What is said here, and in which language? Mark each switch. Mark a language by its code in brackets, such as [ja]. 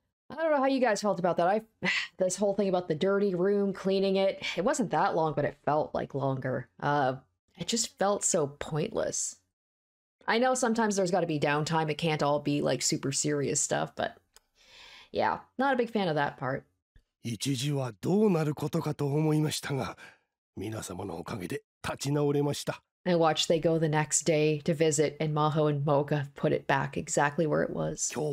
[en] I don't know how you guys felt about that. This whole thing about the dirty room, cleaning it. It wasn't that long, but it felt like longer. It just felt so pointless. I know sometimes there's got to be downtime. It can't all be, like, super serious stuff, but... Yeah, not a big fan of that part. [ja] 一時はどうなることかと思いましたが、皆様のおかげで立ち直れました。 [en] I watched they go the next day to visit, and Maho and Moga put it back exactly where it was.